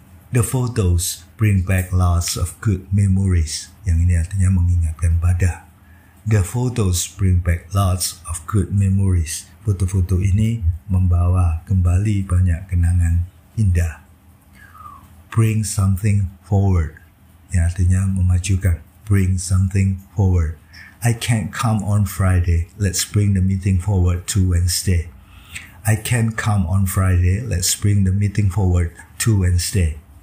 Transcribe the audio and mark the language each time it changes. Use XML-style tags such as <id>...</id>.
<en>The photos bring back lots of good memories.</en> <id>Yang ini artinya mengingatkan pada.</id> <en>The photos bring back lots of good memories.</en> <id>Foto-foto ini membawa kembali banyak kenangan indah.</id> <en>Bring something forward.</en> <id>Yang artinya memajukan.</id> <en>Bring something forward. I can't come on Friday. Let's bring the meeting forward to Wednesday. I can't come on Friday. Let's bring the meeting forward to Wednesday.</en>